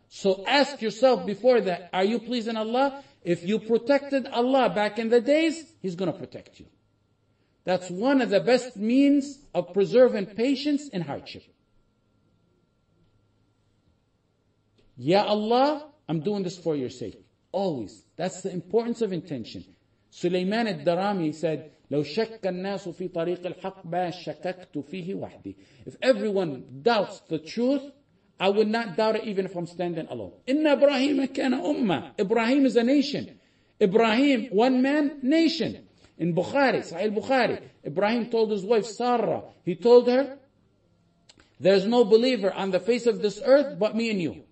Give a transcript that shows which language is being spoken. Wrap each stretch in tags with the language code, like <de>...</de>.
<en>So ask yourself before that, are you pleasing Allah? If you protected Allah back in the days, He's going to protect you. That's one of the best means of preserving patience in hardship. Ya Allah, I'm doing this for your sake. Always. That's the importance of intention.</en> <ar>سليمان الدرامي</ar> <en>said,</en> <ar>لو شك الناس في طريق الحق ما شككت فيه وحدي.</ar> <en>If everyone doubts the truth, I would not doubt it even if I'm standing alone.</en> <ar>إن إبراهيم كان أمة.</ar> <en>إبراهيم is a nation. إبراهيم one man nation. In Bukhari, Sahih Bukhari, Ibrahim told his wife Sarah, he told her, there's no believer on the face of this earth but me and you.</en>